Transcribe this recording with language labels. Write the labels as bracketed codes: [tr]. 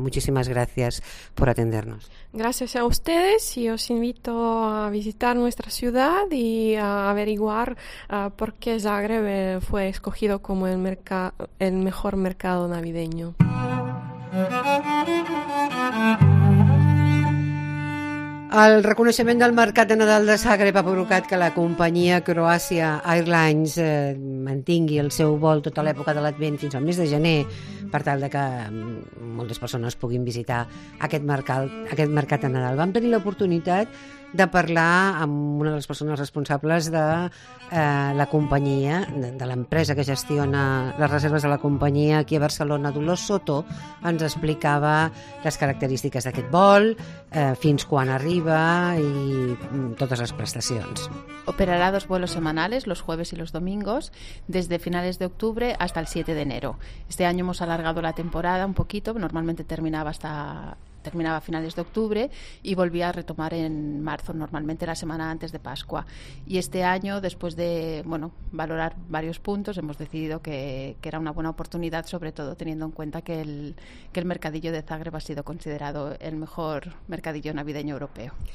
[es] Muchísimas gracias por atendernos. Gracias a ustedes y os invito a visitar nuestra ciudad y a averiguar por qué Zagreb fue escogido como el mejor mercado navideño. [ca] El reconeixement del mercat de Nadal de Zagreb ha provocat que la companyia Croatia Airlines mantingui el seu vol tota l'època de l'Advent fins al mes de gener, per tal de que moltes persones puguin visitar aquest mercat de Nadal. Vam tenir l'oportunitat de parlar amb una de les persones responsables de la companyia, de l'empresa que gestiona les reserves de la companyia aquí a Barcelona. Dolors Soto ens explicava les característiques d'aquest vol, fins quan arriba i totes les prestacions. [es] Operará dos vuelos semanales, los jueves y los domingos, desde finales de octubre hasta el 7 de enero. Este año hemos alargado la temporada un poquito, normalmente terminaba a finales de octubre y volvía a retomar en marzo, normalmente la semana antes de Pascua. Y este año, después de valorar varios puntos, hemos decidido que era una buena oportunidad, sobre todo teniendo en cuenta que el mercadillo de Zagreb ha sido considerado el mejor mercadillo navideño europeo.